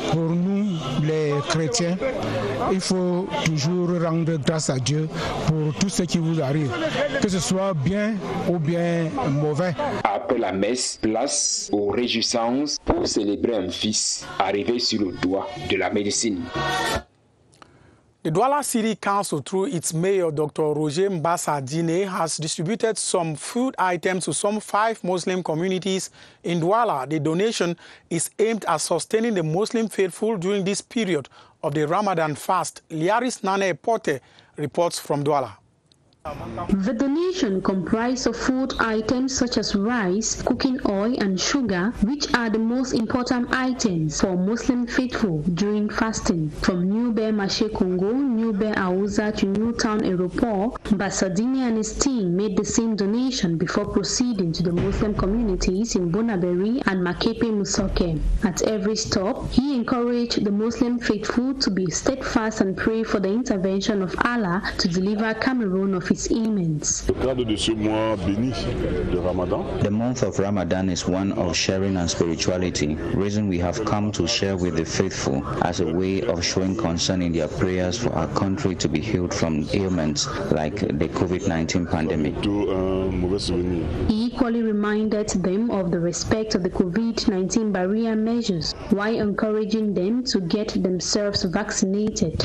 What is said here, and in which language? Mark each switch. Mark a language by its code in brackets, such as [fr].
[fr] Pour nous, les chrétiens, il faut toujours rendre grâce à Dieu pour tout ce qui vous arrive, que ce soit bien ou bien mauvais. Après la messe, place aux réjouissances pour célébrer un fils arrivé sur le toit de la médecine. [en] The Douala City Council, through its mayor, Dr. Roger Mbassa Dine, has distributed some food items to some 5 Muslim communities in Douala. The donation is aimed at sustaining the Muslim faithful during this period of the Ramadan fast. Liaris Nane Porte reports from Douala. The donation comprised of food items such as rice, cooking oil and sugar, which are the most important items for Muslim faithful during fasting. From New Bear Mache Congo, New Bear Ausa to Newtown Aeroport, Basadini and his team made the same donation before proceeding to the Muslim communities in Bonaberry and Makepe Musoke. At every stop, he encouraged the Muslim faithful to be steadfast and pray for the intervention of Allah to deliver Cameroon of [fr] Le cadre de ce mois béni de Ramadan. [en] The month of Ramadan is one of sharing and spirituality. Reason we have come to share with the faithful as a way of showing concern in their prayers for our country to be healed from ailments like the COVID-19 pandemic. He equally reminded them of the respect of the COVID-19 barrier measures while encouraging them to get themselves vaccinated.